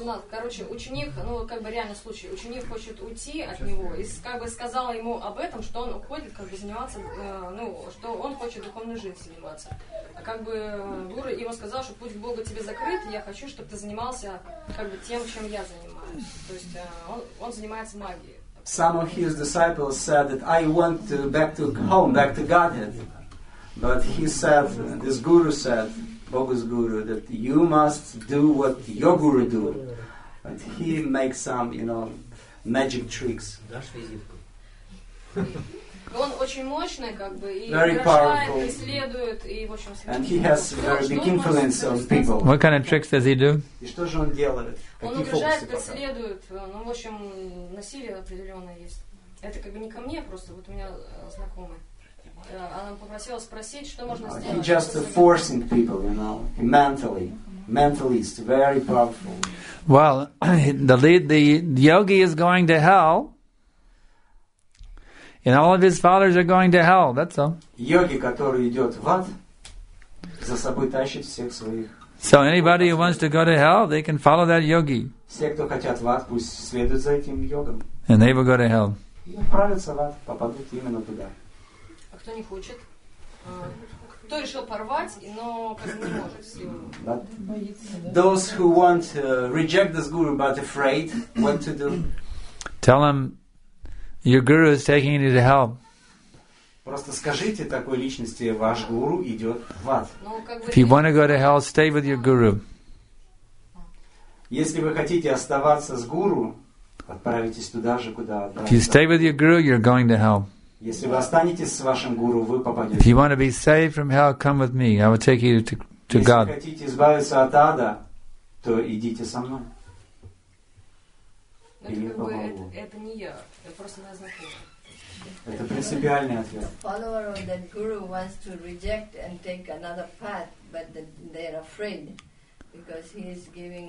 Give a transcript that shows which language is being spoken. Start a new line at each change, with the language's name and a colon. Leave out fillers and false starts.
Russian: Короче, ученик, ну как бы реальный случай. Ученик хочет уйти от него и как бы сказал ему об этом, что он уходит, как бы заниматься, ну что он хочет духовной жизнью заниматься. А как бы гуру ему сказал, что путь к Богу тебе закрыт, и я хочу, чтобы ты занимался как бы тем, чем я занимаюсь. То есть он занимается магией.
English: Some of his disciples said that I want to back to home, back to Godhead. But he said, this guru said, Bogus guru, that you must do what your guru do. But he makes some, you know, magic tricks. Very powerful. And he has very big influence on people. What kind of tricks does he do?
Russian: Он угрожает, преследует, ну, в общем, насилие определенное есть. Это как бы не ко мне, просто вот у меня знакомый. Она попросила спросить, что можно сделать.
English: He just forcing people, you know, mentally. Mentally is very powerful. Well, the yogi is going to hell. And all of his followers are going to hell, that's all.
Russian: Йоги, который идет в ад, за собой тащит всех своих.
English: So anybody who wants to go to hell, they can follow that yogi.
Russian: Все, кто хотят в ад, пусть следуют за этим йогом.
English: And they will go to hell.
Russian: И отправятся в ад, попадут именно туда. А кто не хочет? Кто решил порвать, но не может?
English: Those who want to reject this guru but afraid, what to do? Tell them, your guru is taking you to hell.
Russian: Просто скажите такой личности, ваш гуру идет в ад.
English: If you want to go to hell, stay with your guru.
Russian: Если вы хотите оставаться с гуру, отправитесь туда же, куда.
English: If you stay with your guru, you're going to hell.
Russian: Если вы останетесь с вашим гуру, вы попадете.
English: If you want to be saved from hell, come with me. I will take you to God.
Russian: Если хотите избавиться от ада, то идите со мной. Это не я, это просто моя знакомая. Это принципиальный ответ.
English: The follower of that guru wants to reject and take another path, but they are afraid because he is giving.